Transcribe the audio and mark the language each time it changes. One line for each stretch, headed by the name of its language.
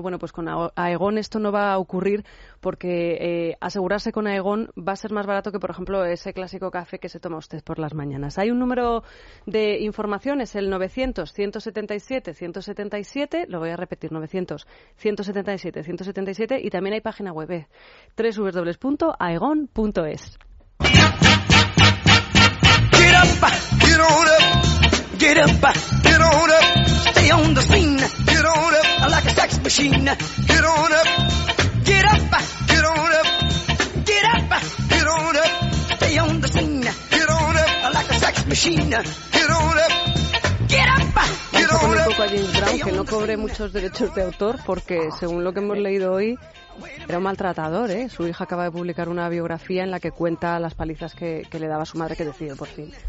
Spanish: Bueno, pues con Aegon esto no va a ocurrir porque asegurarse con Aegon va a ser más barato que, por ejemplo, ese clásico café que se toma usted por las mañanas. Hay un número de información, es el 900-177-177, lo voy a repetir, 900-177-177, y también hay página web, www.aegon.es.
English: Get up, get on up. Get up, get on up, stay on the scene, get on up, like a sex machine, get on up, get up, get on up, get up, get on up, stay on the scene, get on up, like a sex machine, get on up.
Spanish: Un poco a James Brown, que no cobre muchos derechos de autor, porque según lo que hemos leído hoy, era un maltratador, ¿eh? Su hija acaba de publicar una biografía en la que cuenta las palizas que le daba su madre, que decidió por fin